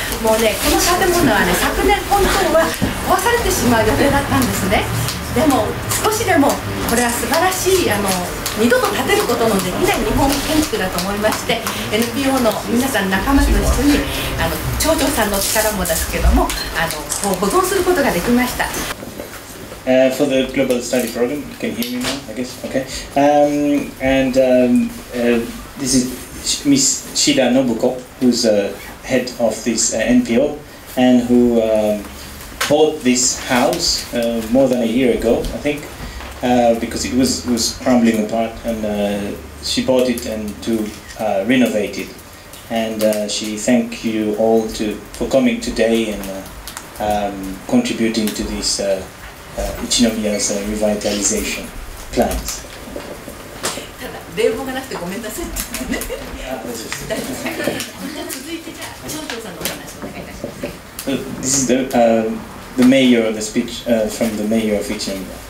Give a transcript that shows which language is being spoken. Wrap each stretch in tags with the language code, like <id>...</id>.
<ja>もうね、この建物はね、昨年本当は壊されてしまう予定だったんですね。でも少しでもこれは素晴らしい、二度と建てることのできない日本建築だと思いまして、 NPO の皆さん仲間と一緒に町長さんの力もですけども、こう保存することができました。</ja> <en>For the Global Study Program, you can hear me now, I guess. Okay. This is Ms. Shida Nobuko, who's head of this NPO, and who bought this house more than a year ago, I think, because it was crumbling apart, and she bought it and to renovate it. And she thank you all for coming today and contributing to this. Ichinomiya's revitalization plans.</en> <ja>ただ冷房がなくてごめんなさいって。続いてじゃあ町長さんのお話をお願いします。</ja> <en>This is the mayor of Ichinomiya.</en>